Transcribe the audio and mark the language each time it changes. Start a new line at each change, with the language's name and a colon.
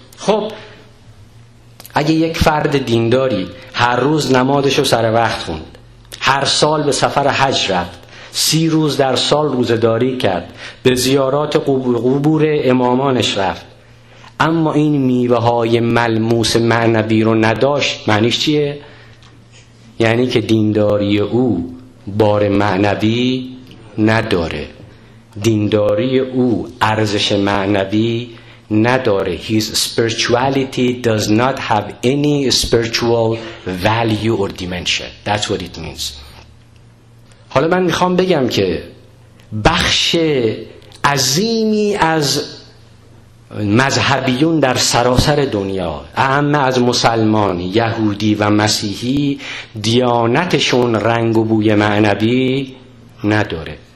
Persian: خب اگه یک فرد دینداری هر روز نمازش رو سر وقت خوند، هر سال به سفر حج رفت، 30 روز در سال روزه‌داری کرد، به زیارات قبور امامانش رفت، اما این میوه های ملموس معنوی رو نداشت، معنیش چیه؟ یعنی که دینداری او بار معنوی نداره، دینداری او ارزش معنوی نداره.
English: His spirituality does not have any spiritual value or dimension. That's what it means.
Persian: حالا من میخوام بگم که بخش عظیمی از مذهبیون در سراسر دنیا، اهم از مسلمان، یهودی و مسیحی، دیانتشون رنگ و بوی معنوی نداره.